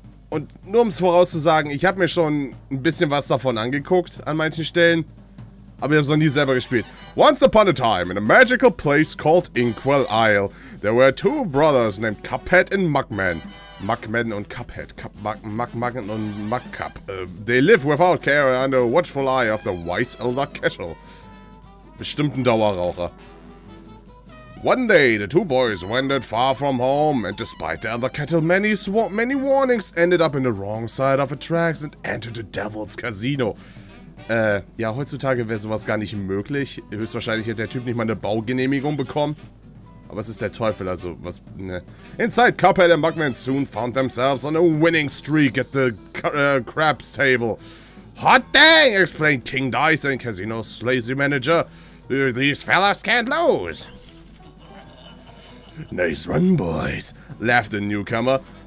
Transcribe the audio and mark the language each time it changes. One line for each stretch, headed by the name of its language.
German: Und nur um es vorauszusagen, ich habe mir schon ein bisschen was davon angeguckt an manchen Stellen. Aber ich habe es noch nie selber gespielt.
English: Once upon a time, in a magical place called Inkwell Isle, there were two brothers named Cuphead and Mugman.
German: Mugman und Cuphead. Mugman und Mugcup.
English: They live without care under a watchful eye of the wise Elder Kettle.
German: Bestimmt ein Dauerraucher.
English: One day, the two boys wandered far from home, and despite the Elder Kettle many warnings, ended up in the wrong side of the tracks and entered the Devil's Casino.
German: Ja, heutzutage wäre sowas gar nicht möglich. Höchstwahrscheinlich hätte der Typ nicht mal eine Baugenehmigung bekommen. Aber es ist der Teufel, also was, ne.
English: Inside, Cuphead and Mugman soon found themselves on a winning streak at the craps table. Hot dang, explained King Dice and Casino's lazy manager. These fellas can't lose. Nice run, boys, laughed the newcomer.